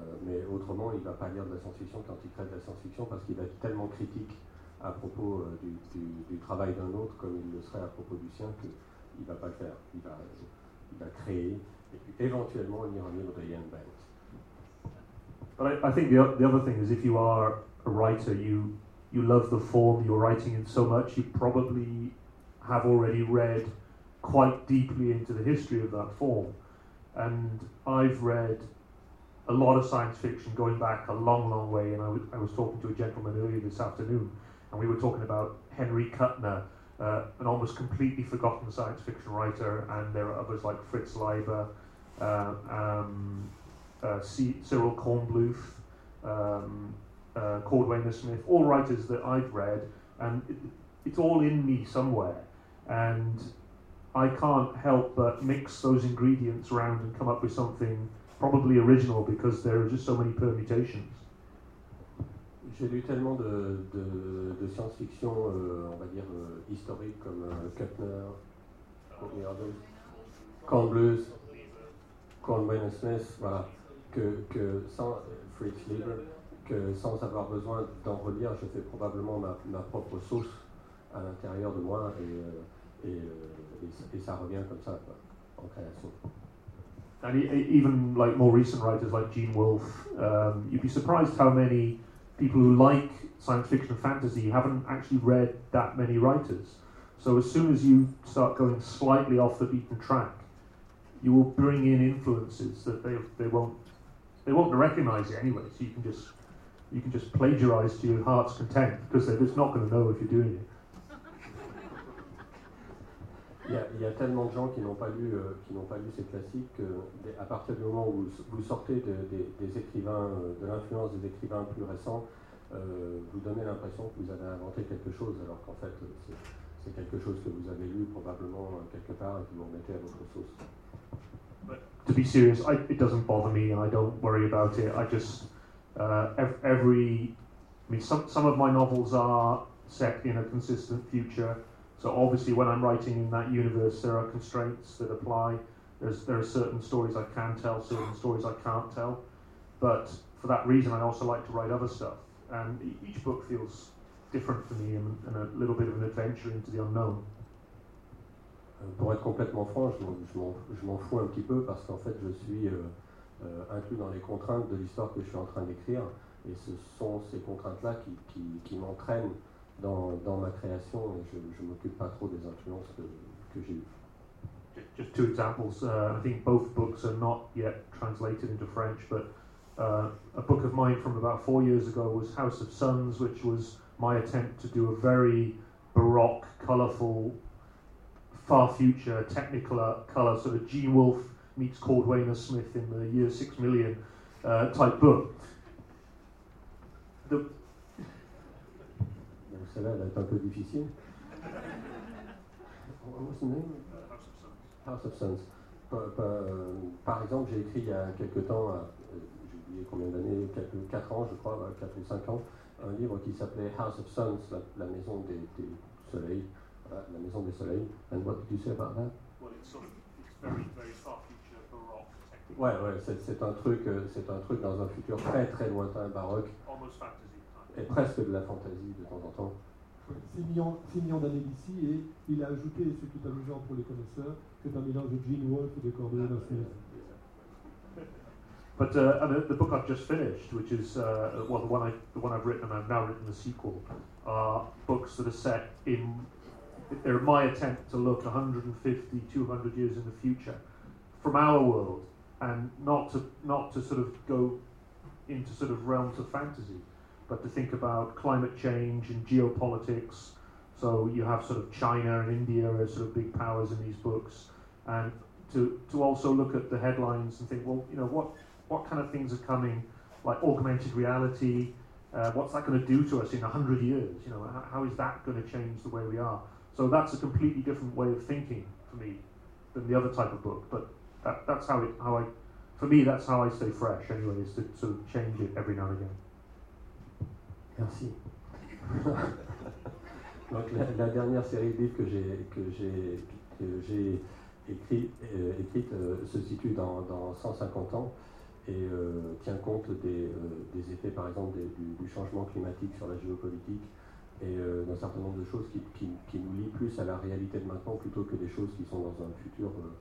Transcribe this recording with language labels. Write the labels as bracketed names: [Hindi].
[French] Mais autrement, il ne va pas lire de la science-fiction quand il crée de la science-fiction parce qu'il va être tellement critique à propos du travail d'un autre comme il le serait à propos du sien qu'il ne va pas le faire. Il va créer et puis éventuellement on ira lire de Ian Banks. [English] But I think the other thing is if you are a writer, you love the form you're writing in so much, you probably have already read quite deeply into the history of that form. And I've read a lot of science fiction going back a long, long way. And I was talking to a gentleman earlier this afternoon, and we were talking about Henry Kuttner, an almost completely forgotten science fiction writer. And there are others like Fritz Leiber, Cyril Kornbluth, Cord Wainer-Smith, all writers that I've read, and it's all in me somewhere. And I can't help but mix those ingredients around and come up with something probably original, because there are just so many permutations. [French] J'ai lu tellement de science-fiction, on va dire, historique, comme Kuttner, Kornbluth, Cord Wainer-Smith, voilà, que sans Fritz Leiber, que sans avoir besoin d'en relire, je fais probablement ma propre sauce à l'intérieur de moi et ça revient comme ça, quoi, en création. [English] And even like more recent writers like Gene Wolfe, you'd be surprised how many people who like science fiction and fantasy haven't actually read that many writers. So as soon as you start going slightly off the beaten track, you will bring in influences that they won't recognize it anyway. So you can just plagiarize to your heart's content, because they're just not going to know if you're doing it. [French] Il y a tellement de gens qui n'ont pas lu ces classiques qu'à partir du moment où vous sortez des écrivains, de l'influence des écrivains plus récents, vous donnez l'impression que vous avez inventé quelque chose, alors qu'en fait c'est quelque chose que vous avez lu probablement quelque part et que vous remettez à votre sauce. [English] But to be serious, it doesn't bother me. I don't worry about it. I just some of my novels are set in a consistent future. So obviously when I'm writing in that universe, there are constraints that apply. There are certain stories I can tell, certain stories I can't tell. But for that reason, I also like to write other stuff. And each book feels different for me and a little bit of an adventure into the unknown. [French] Pour être complètement franc, je m'en fous un petit peu, parce qu'en fait je suis inclus dans les contraintes de l'histoire que je suis en train d'écrire. Et ce sont ces contraintes-là qui m'entraînent dans ma création, et je m'occupe pas trop des influences que j'ai eues. [English] Just two examples. I think both books are not yet translated into French, but a book of mine from about 4 years ago was House of Suns, which was my attempt to do a very baroque, colorful, far future, technicolor color, sort of Gene Wolfe meets Cord Wainer-Smith in the year 6 million type book. [French] Celle-là, elle est un peu difficile. [English] What's the name? House of Suns. House of Suns. [French] Par exemple, j'ai écrit il y a quelque temps, j'ai oublié combien d'années, 4 ans je crois, 4 ou 5 ans, un livre qui s'appelait House of Suns, la maison des soleils. La maison des soleils. [English] And what did you say about that? Well, it's sort of, it's very, very far future baroque. [French] Ouais, c'est un truc dans un futur très très lointain baroque. [English] Almost fantasy. [French] Et presque de la fantaisie de temps en temps. 6 millions d'années d'ici, et il a ajouté, ce qui est amusant pour les connaisseurs, c'est un mélange de Gene Wolfe et de Cord Wainer-Smith. [English] But the book I've just finished, which is the one I've written, and I've now written the sequel, are books that are set in, they're my attempt to look 150, 200 years in the future, from our world, and not to sort of go into sort of realms of fantasy, but to think about climate change and geopolitics. So you have sort of China and India as sort of big powers in these books, and to also look at the headlines and think, well, you know, what kind of things are coming, like augmented reality, what's that going to do to us in 100 years? You know, how is that going to change the way we are? So that's a completely different way of thinking for me than the other type of book, but that's how I stay fresh anyway, is to sort of change it every now and again. [French] Merci. Donc la dernière série de livres que j'ai écrite se situe dans 150 ans et tient compte des effets, par exemple, du changement climatique sur la géopolitique et d'un certain nombre de choses qui nous lient plus à la réalité de maintenant plutôt que des choses qui sont dans un futur